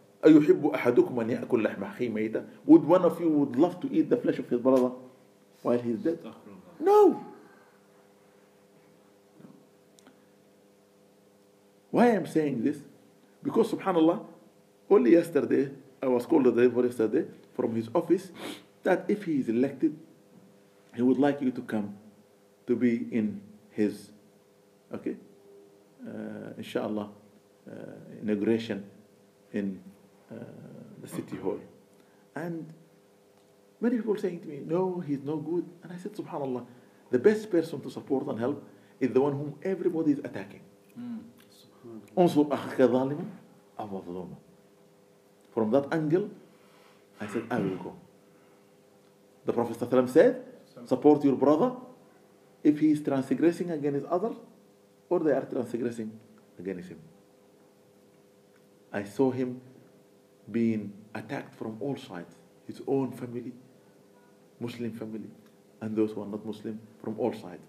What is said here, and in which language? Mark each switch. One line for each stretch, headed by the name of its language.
Arabic: أَيُحِبُّ أَحَدُكُمْ أَنْ يَأْكُلْ لَحْمَ أَخِي مَيْتًا.
English: Would one of you would love to eat the flesh of his brother while he's dead? No. Why am I saying this? Because subhanAllah, only yesterday, I was called the devil yesterday from his office, that if he is elected, he would like you to come to be in his, okay, inshallah, inauguration in the city hall. And many people saying to me, no, he's no good. And I said, subhanAllah, the best person to support and help is the one whom everybody is attacking.
Arabic: أنصر أخك ظالما أو مظلوما.
English: From that angle, I said, I will go. The Prophet said, support your brother if he is transgressing against others or they are transgressing against him. I saw him being attacked from all sides, his own family, Muslim family, and those who are not Muslim from all sides.